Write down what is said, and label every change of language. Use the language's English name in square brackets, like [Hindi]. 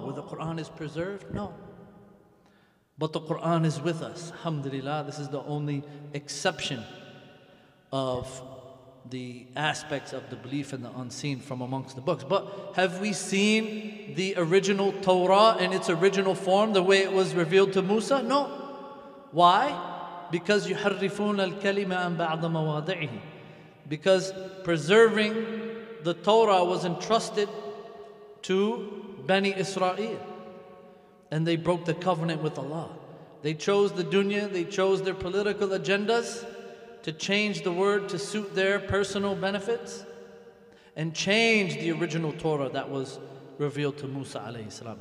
[English] Where the Quran is preserved? No. But the Quran is with us. Alhamdulillah, this is the only exception of the aspects of the belief in the unseen from amongst the books. But have we seen the original Torah in its original form, the way it was revealed to Musa? No. Why? Because [Arabic] يُحَرِّفُونَ الْكَلِمَ أَنْ بَعْضَ مَوَاضِعِهِ. [English] Because preserving the Torah was entrusted to Bani Israel. And they broke the covenant with Allah. They chose the dunya, they chose their political agendas to change the word to suit their personal benefits and change the original Torah that was revealed to Musa alayhi salam.